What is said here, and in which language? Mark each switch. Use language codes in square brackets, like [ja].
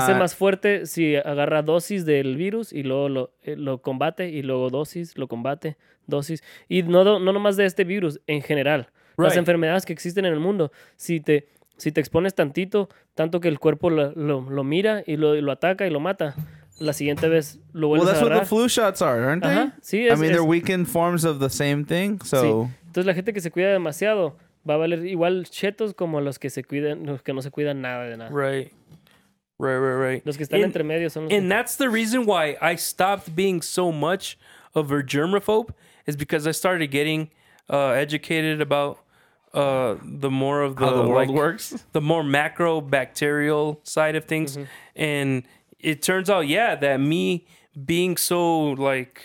[es] hace más fuerte si agarra dosis del virus y luego lo combate, y luego dosis, lo combate, dosis. Y no nomás de este virus, en general. Right. Las enfermedades que existen en el mundo, si te expones tantito, tanto que el cuerpo lo mira y lo ataca y lo mata, la siguiente vez lo vuelves a agarrar. [en] Well, that's what the flu shots are, aren't they? Uh-huh. [es] Sí, [en] they're weakened forms of the same thing, so... [es] Sí. Entonces la gente que se cuida demasiado... Va a valer igual chetos como los que se cuidan, los que no se cuidan nada de nada. [en] Right. [es] Los que están entre medio son los. [en] And that's the reason why I stopped being so much of a germaphobe is because I started getting educated about the more of how the world works, the more macro bacterial side of things, mm-hmm. and it turns out that me being so like